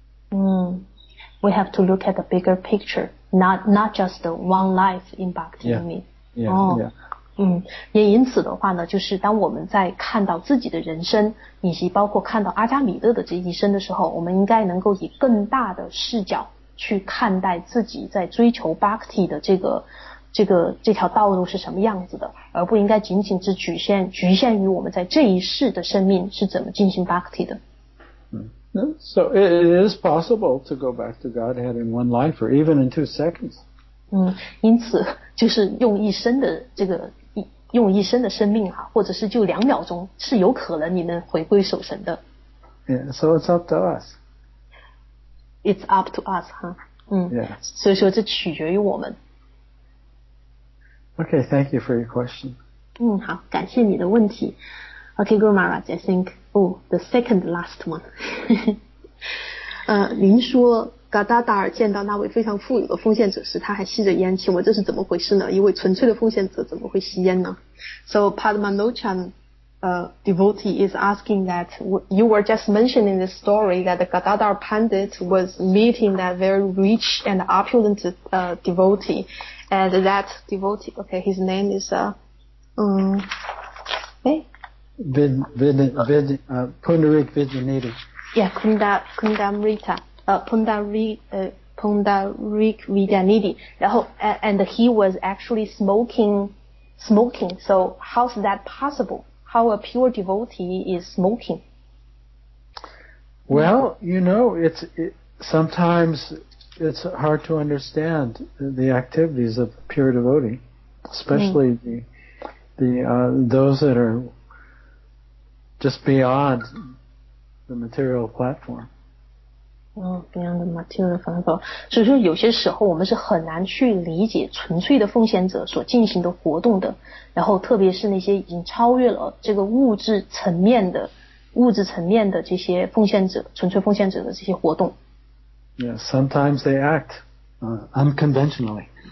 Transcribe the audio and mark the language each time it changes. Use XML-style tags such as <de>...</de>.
<en>We have to look at the bigger picture, not just the one life in bhakti. Yeah, yeah, yeah.</en> <zh>也因此的话呢，就是当我们在看到自己的人生以及包括看到阿加米勒的这一生的时候，我们应该能够以更大的视角去看待自己在追求 bhakti 的这条道路是什么样子的，而不应该仅仅是局限于我们在这一世的生命是怎么进行 bhakti 的。</zh> <en>So it is possible to go back to Godhead in one life or even in 2 seconds.</en> <zh>因此就是用一生的这个用一生的生命啊，或者是就2秒钟是有可能你能回归守神的。</zh> <en>Yeah, so it's up to us. It's up to us, huh?</en> <zh>所以说这取决于我们。</zh> <en>OK, thank you for your question.</en> <zh>嗯，好，感谢你的问题。</zh> <en>OK, Guru Maharaj, I think, oh, the second last one.</en> <zh>您说嘎达达尔见到那位非常富有的奉献者时，他还吸着烟，请问这是怎么回事呢？一位纯粹的奉献者怎么会吸烟呢？</zh> <en>So Padmanochan, devotee is asking that you were just mentioning the story that the Gadadhar Pandit was meeting that very rich and opulent devotee, and that devotee, okay, his name is Pundarik Vidyanidhi. Yeah, Kundamrita. Pundarik Vidyanidhi. And he was actually smoking. So how's that possible? How a pure devotee is smoking? Well, you know, sometimes it's hard to understand the activities of pure devotee, especially those that are just beyond the material platform. Beyond the material platform.</en> <zh>所以说有些时候我们是很难去理解纯粹的奉献者所进行的活动的，然后特别是那些已经超越了这个物质层面的这些奉献者，纯粹奉献者的这些活动。</zh> <en>Yeah, sometimes they act unconventionally.</en>